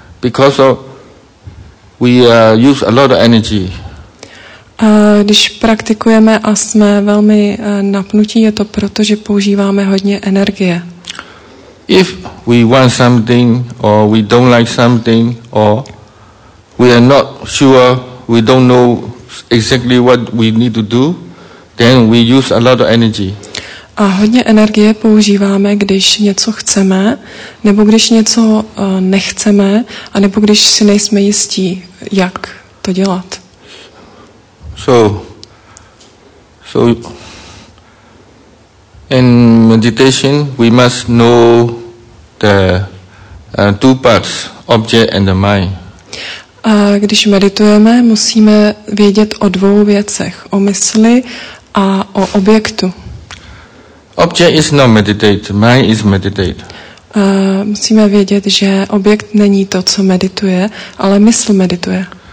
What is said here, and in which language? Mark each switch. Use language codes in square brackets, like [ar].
[en] Because of we use a lot of energy. [cs] Když praktikujeme a jsme velmi napnutí, je to proto, že používáme hodně energie. [en] If we want something or we don't like something or we are not sure, we don't know exactly what we need to do, then we use a lot of energy. [cs] A hodně energie používáme, když něco chceme, nebo když něco nechceme, a nebo když si nejsme jistí, jak to dělat. [en] So in meditation we must know the two parts, object and the mind. [cs] A když meditujeme, musíme vědět o dvou věcech, o mysli a o objektu. [en] Object is not meditate, mind is meditate. [cs] Musíme vědět, že objekt není to, co medituje, ale mysl medituje.